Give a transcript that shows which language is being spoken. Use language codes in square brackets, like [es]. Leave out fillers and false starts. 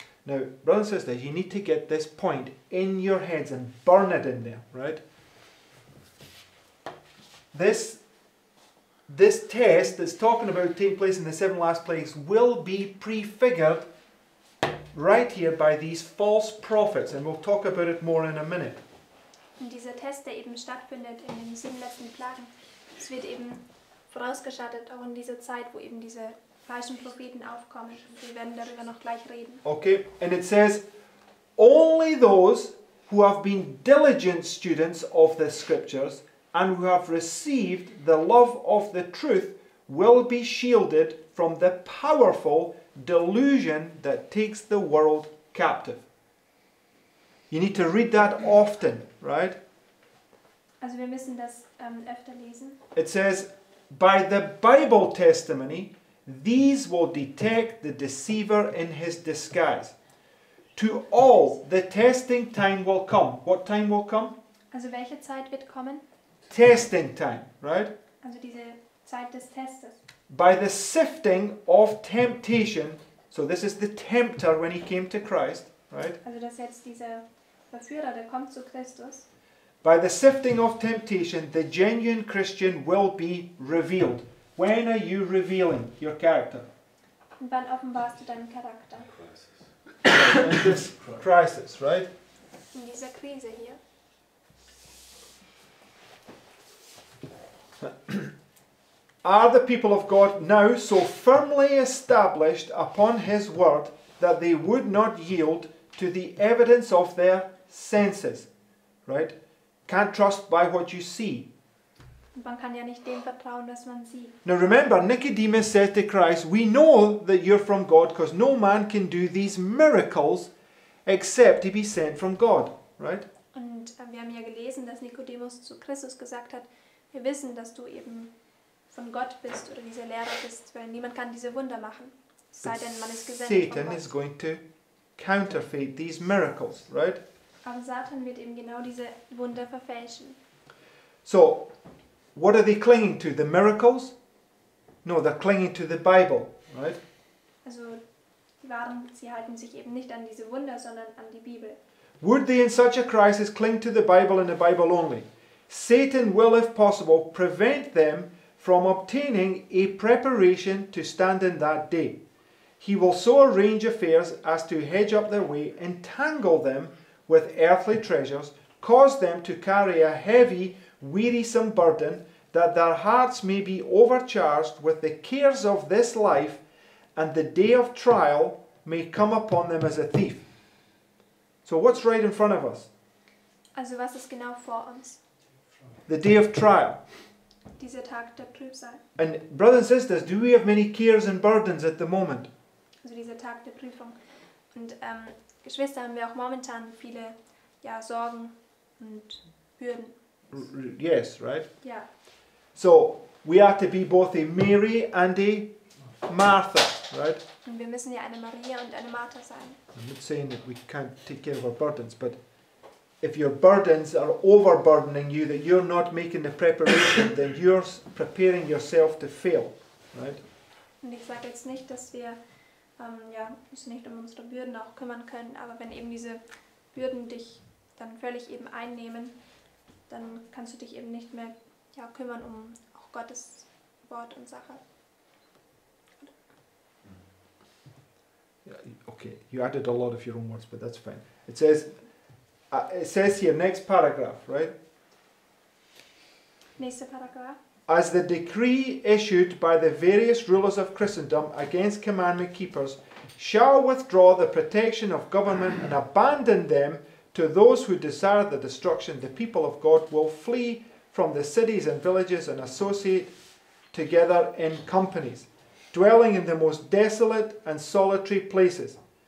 [en] Now, brothers and sisters, you need to get this point in your heads and burn it in there, right? this test that's talking about taking place in the seven last plagues will be prefigured right here by these false prophets, and we'll talk about it more in a minute. [de] Und dieser Test, der eben stattfindet in den sieben letzten Plagen, es wird eben vorausgeschattet auch in dieser Zeit, wo eben diese falschen Propheten aufkommen. Wir werden darüber noch gleich reden. [en] Okay, and it says, only those who have been diligent students of the scriptures and who have received the love of the truth will be shielded from the powerful delusion that takes the world captive. You need to read that often, right? [de] Also wir müssen das öfter lesen. [en] It says, by the Bible testimony, these will detect the deceiver in his disguise. To all, the testing time will come. What time will come? [de] Also welche Zeit wird kommen? [en] Testing time, right? [de] Also diese Zeit des Testes. [en] By the sifting of temptation, so this is the tempter when he came to Christ, right? [de] Also das ist jetzt dieser Verführer, der kommt zu Christus. [en] By the sifting of temptation, the genuine Christian will be revealed. When are you revealing your character? [de] Wann offenbarst du deinen Charakter? [en] In this crisis, right? [de] In dieser Krise hier. [en] Are the people of God now so firmly established upon his word that they would not yield to the evidence of their senses? Right? Can't trust by what you see. [de] Man kann ja nicht dem vertrauen, was man sieht. [en] Now remember, Nicodemus said to Christ, we know that you're from God because no man can do these miracles except he be sent from God. Right? [de] Und wir haben ja gelesen, dass Nicodemus zu Christus gesagt hat, wir wissen, dass du eben von Gott bist oder dieser Lehrer bist, weil niemand kann diese Wunder machen, sei denn man ist gesendet [en] Satan [de] von Gott. [en] Is going to counterfeit these miracles, right? [de] Aber Satan wird eben genau diese Wunder verfälschen. [en] So, what are they clinging to? The miracles? No, they're clinging to the Bible, right? [de] Also, sie halten sich eben nicht an diese Wunder, sondern an die Bibel. [en] Would they in such a crisis cling to the Bible and the Bible only? Satan will, if possible, prevent them from obtaining a preparation to stand in that day. He will so arrange affairs as to hedge up their way, entangle them with earthly treasures, cause them to carry a heavy, wearisome burden, that their hearts may be overcharged with the cares of this life, and the day of trial may come upon them as a thief. So what's right in front of us? [de] Also was ist genau vor uns? [en] The day of trial. [de] Dieser Tag der Prüfung. [en] And brothers and sisters, do we have many cares and burdens at the moment? [de] Also dieser Tag der Prüfung. Und Geschwister, haben wir auch momentan viele Sorgen und Hürden. [en] Yes, right? Yeah. So, we are to be both a Mary and a Martha, right? [de] Und wir müssen ja eine Maria und eine Martha sein. [en] I'm not saying that we can't take care of our burdens, but if your burdens are overburdening you, that you're not making the preparation, then you're preparing yourself to fail, right? [de] Und ich sage jetzt nicht, dass wir uns nicht um unsere Bürden auch kümmern können, aber wenn eben diese Bürden dich dann völlig eben einnehmen, dann kannst du dich eben nicht mehr kümmern um auch Gottes Wort und Sache. [en] Yeah, okay, you added a lot of your own words, but that's fine. It says here, next paragraph, right? [de] Nächster Paragraph. [en] As the decree issued by the various rulers of Christendom against commandment keepers shall withdraw the protection of government and abandon them to those who desire the destruction, the people of God will flee from the cities and villages and associate together in companies, dwelling in the most desolate and solitary places.